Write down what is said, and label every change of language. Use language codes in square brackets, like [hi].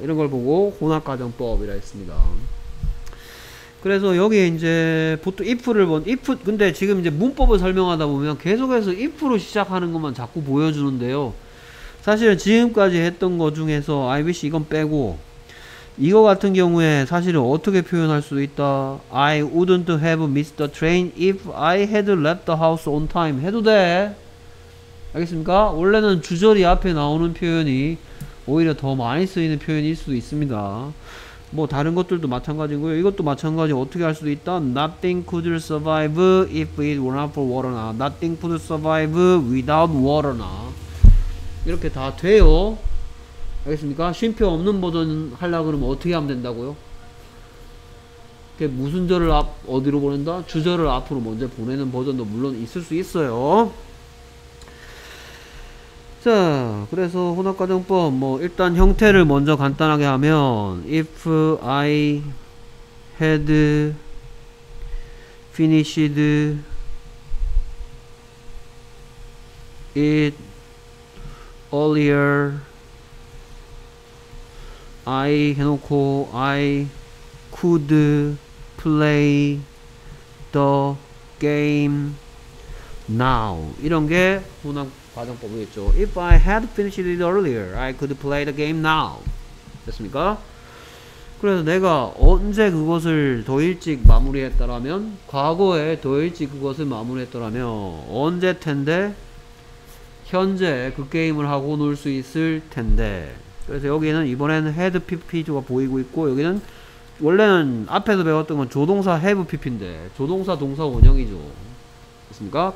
[ko] 이런 걸 보고 혼합과정법이라 했습니다. 그래서 여기에 이제 보통 if를 본 if 근데 지금 이제 문법을 설명하다 보면 계속해서 if로 시작하는 것만 자꾸 보여주는데요. 사실은 지금까지 했던 것 중에서 IBC 이건 빼고 이거 같은 경우에 사실은 어떻게 표현할 수도 있다. [en] I wouldn't have missed the train if I had left the house on time [ko] 해도 돼. 알겠습니까? 원래는 주절이 앞에 나오는 표현이 오히려 더 많이 쓰이는 표현일 수도 있습니다. 뭐 다른 것들도 마찬가지고요. 이것도 마찬가지. 어떻게 할 수도 있다. [en] Nothing could survive if it were not for water. Nothing could survive without water. [ko] 이렇게 다 돼요. 알겠습니까? 쉼표 없는 버전 하려고 그러면 어떻게 하면 된다고요? 그게 무슨 절을 앞 어디로 보낸다? 주절을 앞으로 먼저 보내는 버전도 물론 있을 수 있어요. 자, 그래서 혼합과정법 뭐 일단 형태를 먼저 간단하게 하면 [en] if I had finished it earlier I [ko] 해놓고 [en] I could play the game now [ko] 이런 게 혼합과정법 과정법이겠죠. [en] If I had finished it earlier, I could play the game now. [ko] 됐습니까? 그래서 내가 언제 그것을 더 일찍 마무리했더라면, 과거에 더 일찍 그것을 마무리했더라면 언제 텐데? 현재 그 게임을 하고 놀 수 있을 텐데. 그래서 여기는 이번에는 had PP2가 보이고 있고, 여기는 원래는 앞에서 배웠던 건 조동사 have PP인데 조동사 동사 원형이죠. 됐습니까?